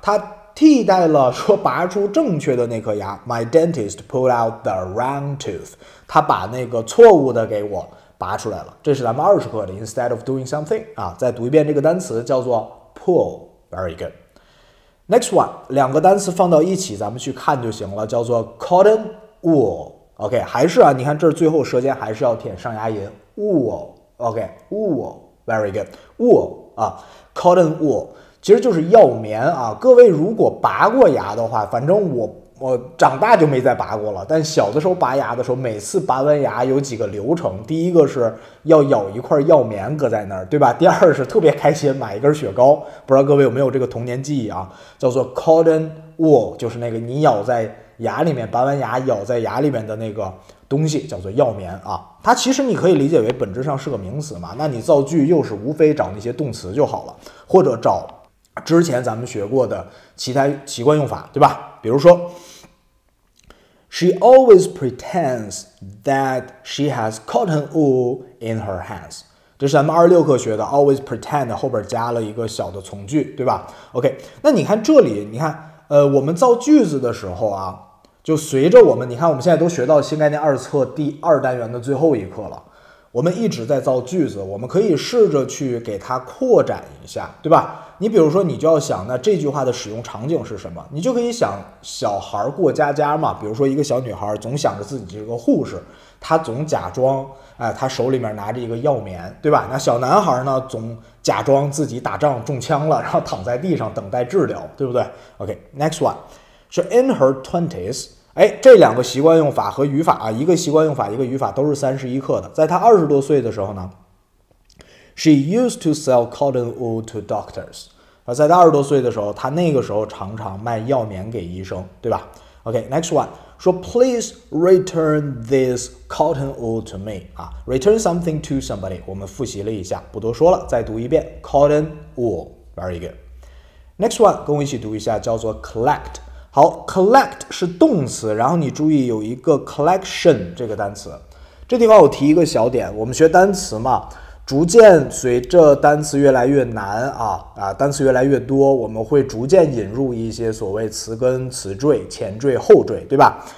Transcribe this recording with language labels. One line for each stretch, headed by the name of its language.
Chinese: 他替代了说拔出正确的那颗牙 ，
English: my dentist pulled out the wrong tooth，
Chinese: 他把那个错误的给我拔出来了。这是咱们20克的
English: instead of doing something
Chinese: 啊，再读一遍这个单词，叫做 pull，
English: very good。 Next one，
Chinese: 两个单词放到一起咱们去看就行了，叫做 cotton wool。 OK， 还是啊，你看这最后舌尖还是要舔上牙龈 wool。
English: OK， wool， very good， wool 啊， cotton wool
Chinese: 其实就是药棉啊。各位如果拔过牙的话，反正我长大就没再拔过了，但小的时候拔牙的时候，每次拔完牙有几个流程。第一个是要咬一块药棉搁在那儿，对吧？第二是特别开心买一根雪糕，不知道各位有没有这个童年记忆啊，叫做 cotton wool， 就是那个你咬在牙里面，拔完牙咬在牙里面的那个东西叫做药棉啊。它其实你可以理解为本质上是个名词嘛，那你造句又是无非找那些动词就好了，或者找之前咱们学过的其他习惯用法，对吧？
English: 比如说 She always pretends that she has cotton wool in her hands。
Chinese: 这是咱们26课学的 always pretend 后边加了一个小的从句，对吧？ OK， 那你看这里，你看我们造句子的时候啊，就随着我们，你看我们现在都学到新概念二册第二单元的最后一课了，我们一直在造句子，我们可以试着去给它扩展一下，对吧？你比如说你就要想，那这句话的使用场景是什么，你就可以想小孩过家家嘛。比如说一个小女孩总想着自己是个护士，她总假装她手里面拿着一个药棉，对吧？那小男孩呢总假装自己打仗中枪了，然后躺在地上等待治疗，对不对？
English: OK， next one， 是 in her 20s。
Chinese: 哎，这两个习惯用法和语法啊，一个习惯用法一个语法，都是31课的。在她20多岁的时候呢，
English: She used to sell cotton wool to doctors。
Chinese: 在她20多岁的时候，她那个时候常常卖药棉给医生，对吧？
English: OK， next one， 说 Please return this cotton wool to me、啊、Return something to somebody，
Chinese: 我们复习了一下，不多说了，再读一遍
English: cotton wool， very good。 next one，
Chinese: 跟我一起读一下，叫做 collect。好， collect 是动词，然后你注意有一个 collection 这个单词。这地方我提一个小点，我们学单词嘛，逐渐随着单词越来越难啊，单词越来越多，我们会逐渐引入一些所谓词根、词缀、前缀、后缀，对吧？